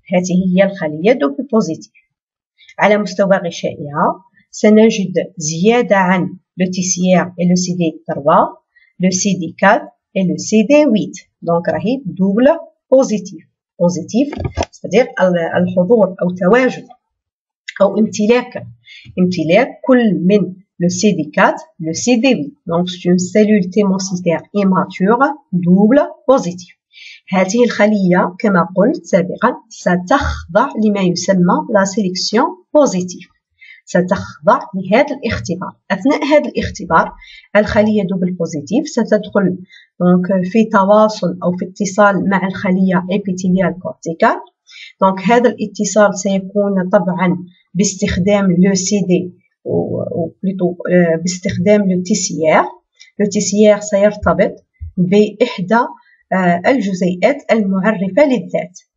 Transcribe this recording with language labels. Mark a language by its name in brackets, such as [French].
[Arabic] هذه هي الخلية دوبل بوزيتيف. على مستوى غشائها سنجد زيادة عن لو تي سي ار اي لو سي دي 3 لو سي دي 4 اي لو سي دي 8. دونك راهي دوبل بوزيتيف، بوزيتيف استدير الحضور او تواجد أو امتلاك امتلاك كل من le CD4, le CD8. [French] Donc, c'est une cellule thémocytaire immature, double, positive. [Arabic] هذه الخلية, كما قلت سابقا, ستخضع لما يسمى la sélection positive. ستخضع لهذا الاختبار. أثناء هذا الاختبار, الخلية double positive ستدخل donc, في تواصل أو في اتصال مع الخلية epithelial cortical. Donc, هذا الاتصال سيكون طبعا باستخدام [French] le CD ou plutôt [Arabic] باستخدام le TCR. Le TCR سيرتبط بإحدى الجزيئات المعرفة للذات.